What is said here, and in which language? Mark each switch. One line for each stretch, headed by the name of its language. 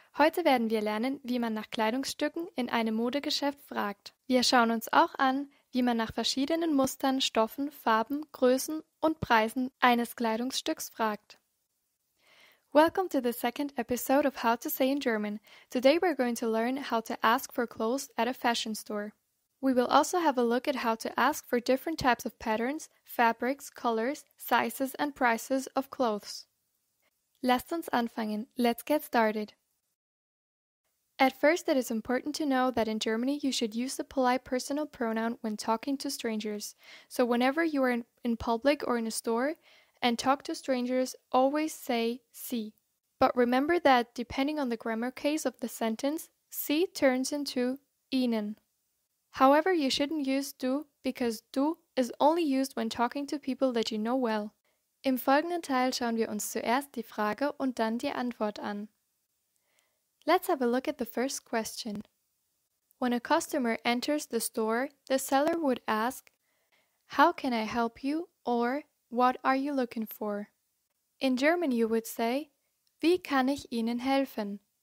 German: Heute werden wir lernen, wie man nach Kleidungsstücken in einem Modegeschäft fragt. Wir schauen uns auch an, wie man nach verschiedenen Mustern, Stoffen, Farben, Größen und Preisen eines Kleidungsstücks fragt.
English: Welcome to the second episode of How to Say in German. Today we're going to learn how to ask for clothes at a fashion store. We will also have a look at how to ask for different types of patterns, fabrics, colors, sizes and prices of clothes.
German: Lasst uns anfangen.
English: Let's get started. At first, it is important to know that in Germany you should use the polite personal pronoun when talking to strangers. So whenever you are in public or in a store and talk to strangers, always say Sie. But remember that depending on the grammar case of the sentence, Sie turns into Ihnen. However, you shouldn't use du, because du is only used when talking to people that you know well.
German: Im folgenden Teil schauen wir uns zuerst die Frage und dann die Antwort an.
English: Let's have a look at the first question. When a customer enters the store, the seller would ask, How can I help you? Or, what are you looking for? In German you would say,
German: Wie kann ich Ihnen helfen?